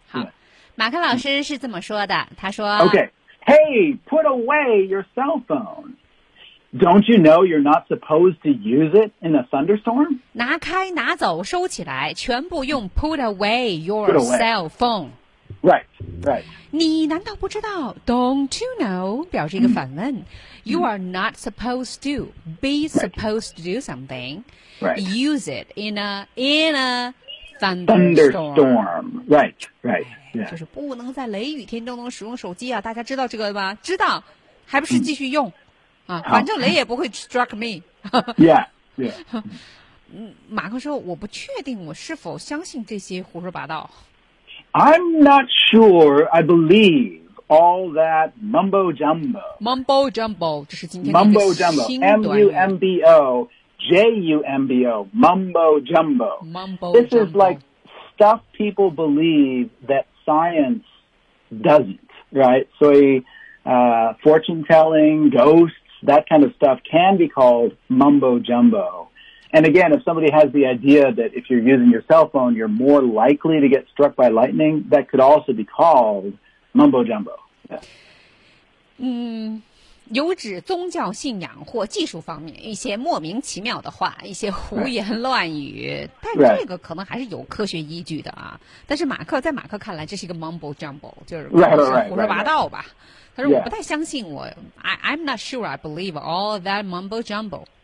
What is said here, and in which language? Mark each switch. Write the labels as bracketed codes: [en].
[zh] 好，马克老师是这么说的，他说 [en] Okay, hey, put away your cell phone. Don't you know you're not supposed to use it in a thunderstorm? [zh] 拿开拿走收起来全部用 [en] put away your cell phone. Right, right. [zh] 你难道不知道 [en] don't you know [zh] 表示一个反问、 [en] You are not supposed to be supposed to do something. Right. Use it in a thunderstorm. Right, right. Yeah. [zh] 就是不能在雷雨天中能使用手机啊，大家知道这个吧？知道，还不是继续用、啊、反正雷也不会 [en] strike me. Yeah, yeah. [zh] 马克说，我不确定我是否相信这些胡说八道。 [en] I'm not sure I believe all that mumbo jumbo. [zh] Mumbo jumbo, 这是今天的一个新短语。 [en] M-U-M-B-O, J-U-M-B-O, mumbo jumbo. Mumbo this jumbo. Is like stuff people believe that science doesn't, right? So, fortune telling, ghosts, that kind of stuff can be called mumbo jumbo. And again, if somebody has the idea that if you're using your cell phone, you're more likely to get struck by lightning, that could also be called mumbo jumbo.、Yeah. [zh] 有指宗教信仰或技术方面一些莫名其妙的话，一些胡言乱语。 [en] Right. [zh] 但这个可能还是有科学依据的啊。 [en] Right. [zh] 但是马克在马克看来，这是一个 mumbo jumbo， 就是胡说八道吧。 [en] Right, right, right. [zh] 他说我不太相信我、 [en] yeah. ，I'm not sure I believe all that mumbo jumbo。